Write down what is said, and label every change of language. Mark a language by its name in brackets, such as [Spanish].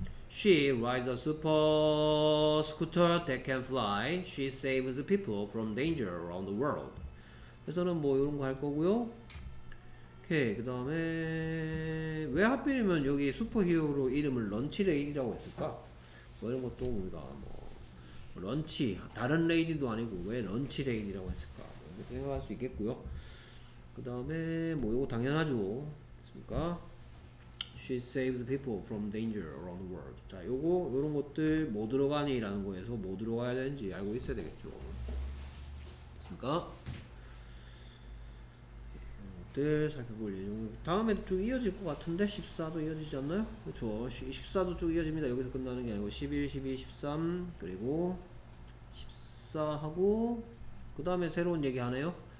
[English] She rides a super scooter that can fly. She saves people from danger around the world. [Korean] 그래서는 뭐 이런 거 할 거고요. 오케이. 그 다음에 왜 하필이면 여기 슈퍼히어로 이름을 런치 레이디라고 했을까? 뭐 이런 것도 우리가 뭐 런치 다른 레이디도 아니고 왜 런치 레이디라고 했을까? 뭐 이렇게 생각할 수 있겠고요. 그 다음에 뭐 이거 당연하죠. 그렇습니까? [English] She saves people from danger around the world. [Korean] 자, 요거 요런 것들 뭐 들어가니 라는 거에서 뭐 들어가야 되는지 알고 있어야 되겠죠. 됐습니까? 이런 것들 살펴볼 예정입니다. 다음에도 쭉 이어질 것 같은데 14도 이어지지 않나요? 그렇죠. 14도 쭉 이어집니다. 여기서 끝나는 게 아니고 11, 12, 13 그리고 14하고 그 다음에 새로운 얘기 하네요.